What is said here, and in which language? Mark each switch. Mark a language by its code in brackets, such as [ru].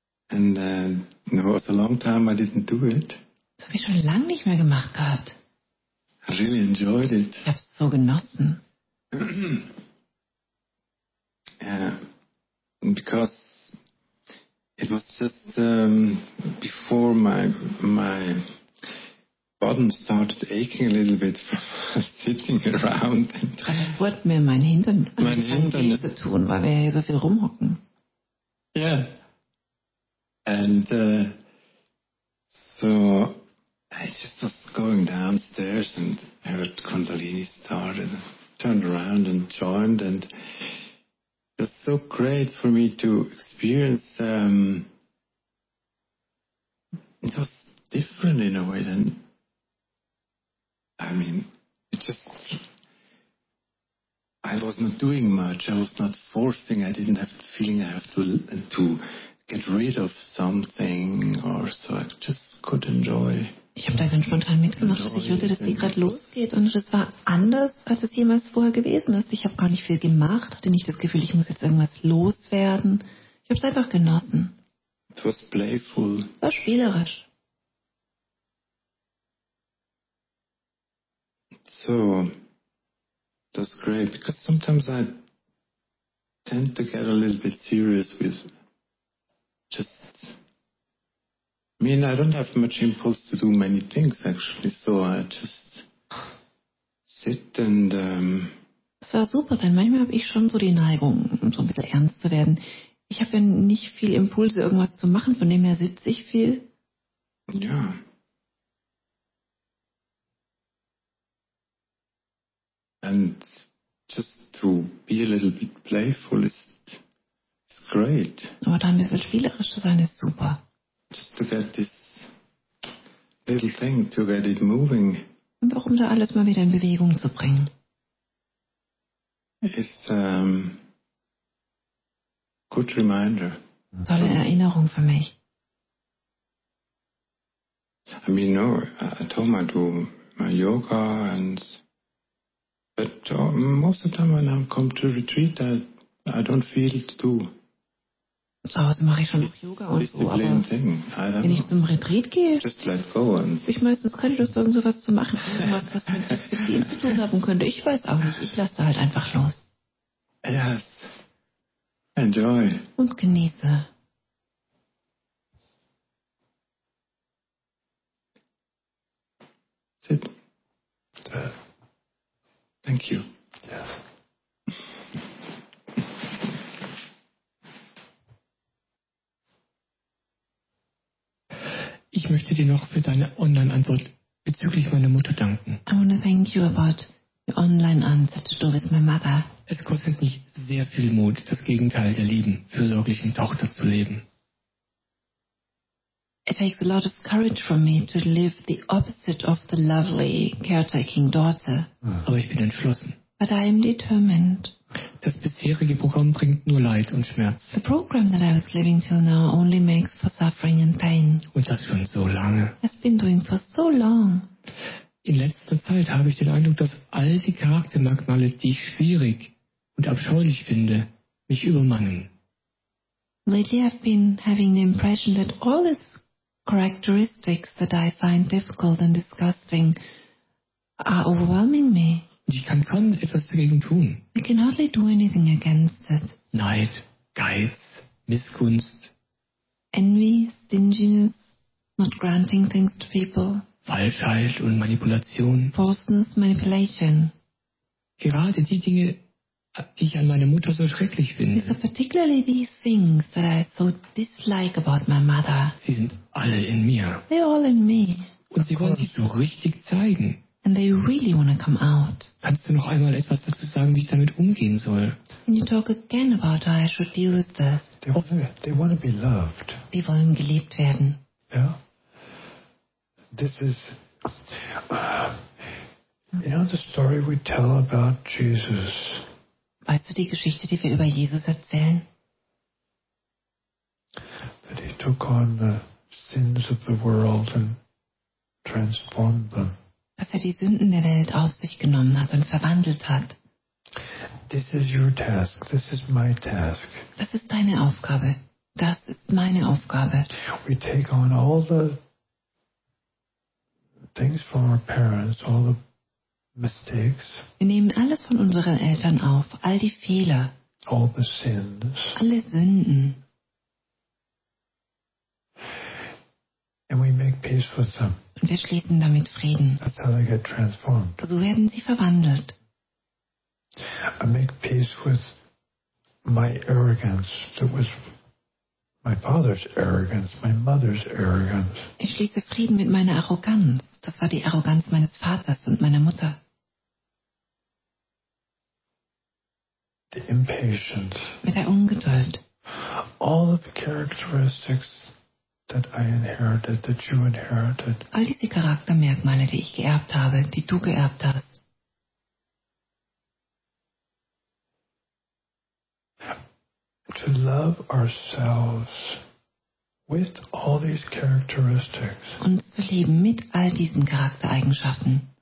[en] And it was a long time I didn't do it. [de] Das habe ich schon lange nicht mehr gemacht gehabt. [en] I really enjoyed it. [de] Ich hab's so genossen. [en] Because it was just before my bottom started aching a little bit from sitting around. [de] Ich wollte mir mein Hintern zu tun, weil wir ja so viel rumhocken. [en] Yeah. And so I just was going downstairs and heard Kundalini start and turned around and joined, and it was so great for me to experience. It was different in a way than, I mean, it just, I was not doing much, I was not forcing, I didn't have the feeling I have to get rid of something or so, I just could enjoy. [de] Ich habe da ganz spontan mitgemacht, dass ich hörte, dass die gerade losgeht, und es war anders, als es jemals vorher gewesen ist. Ich habe gar nicht viel gemacht, hatte nicht das Gefühl, ich muss jetzt irgendwas loswerden. Ich habe es einfach genossen. [en] It was playful. [de] Es war spielerisch. [en] So, that's great, because sometimes I tend to get a little bit serious with just, I mean, I don't have much impulse to do many things, actually, so I just sit and... [de] Es war super, denn manchmal habe ich schon so die Neigung, um so ein bisschen ernst zu werden. Ich habe ja nicht viel Impulse, irgendwas zu machen, von dem her sitze ich viel. Ja. [en] And just to be a little bit playful is great. [de] Aber da ein bisschen spielerisch zu sein, ist super. [en] Just to get this little thing, to get it moving. [de] Und auch um da alles mal wieder in Bewegung zu bringen. [en] It's a good reminder. [de] Tolle Erinnerung für mich. [en] I mean, no, at home I do my yoga, and but most of the time when I come to retreat, I don't feel it too. [de] Zu Hause mache ich schon noch Yoga und so, aber wenn ich zum Retreat gehe, habe ich meistens keine Lust, irgend so was zu machen. Irgendwas, was mit Disziplin zu tun haben könnte, ich weiß auch nicht. Ich lasse halt einfach los. [en] Yes. Enjoy. [de] Und genieße. [en] Sit. Thank you. Yeah. [de] Ich möchte dir noch für deine Online-Antwort bezüglich meiner Mutter danken. [en] I want to thank you about your online answer to do with my mother. [de] Es kostet mich sehr viel Mut, das Gegenteil der lieben, fürsorglichen Tochter zu leben. [en] It takes a lot of courage for me to live the opposite of the lovely, caretaking daughter. [de] Aber ich bin entschlossen. [en] But I am determined. [de] Das bisherige Programm bringt nur Leid und Schmerz. [en] The program that I was living till now only makes for suffering and pain. [de] Und das schon so lange. [en] It's been doing for so long. [de] In letzter Zeit habe ich den Eindruck, dass all die Charaktermerkmale, die ich schwierig und abscheulich finde, mich übermannen. [en] Lately I've been having the impression that all these characteristics that I find difficult and disgusting are overwhelming me. [de] Ich kann kaum etwas dagegen tun. [en] I can hardly do anything against it. [de] Neid, Geiz, Missgunst. [en] Envy, stinginess, not granting things to people. [de] Falschheit und Manipulation. [en] Falseness, manipulation. [de] Gerade die Dinge, ich an meine Mutter so schrecklich finde. [en] It's particularly these things that I so dislike about my mother. [de] Sie sind alle in mir. [en] They're all in me. [de] Und sie wollen sich so richtig zeigen. [en] And they really want to come out. [de] Kannst du noch einmal etwas dazu sagen, wie ich damit umgehen soll? [en] Can you talk again about how I should deal with this? They want to be loved. [de] Die wollen geliebt werden. [en] Yeah. This is, you know, the story we tell about Jesus. [de] Weißt du die Geschichte, die wir über Jesus erzählen? [en] That he took on the sins of the world and transformed them. [de] Dass er die Sünden der Welt auf sich genommen hat und verwandelt hat. [en] This is your task. This is my task. [de] Das ist deine Aufgabe. Das ist meine Aufgabe. [en] We take on all the things from our parents, all the mistakes. [de] Wir nehmen alles von unseren Eltern auf, all die Fehler. [en] All the sins. [de] Alle Sünden. [en] And we make peace with them. [de] Und wir schließen damit Frieden. [en] That's how they get transformed. [de] So werden sie verwandelt. [en] I make peace with my arrogance that was my father's arrogance, my mother's arrogance. [de] Ich schließe Frieden mit meiner Arroganz. Das war die Arroganz meines Vaters und meiner Mutter. [en] The impatience. [de] Mit der Ungeduld. [en] All of the characteristics that I inherited, that you inherited. [de] All diese Charaktermerkmale, die ich geerbt habe, die du geerbt hast. [en] To love ourselves with all these characteristics. [de] Uns zu lieben mit all diesen Charaktereigenschaften.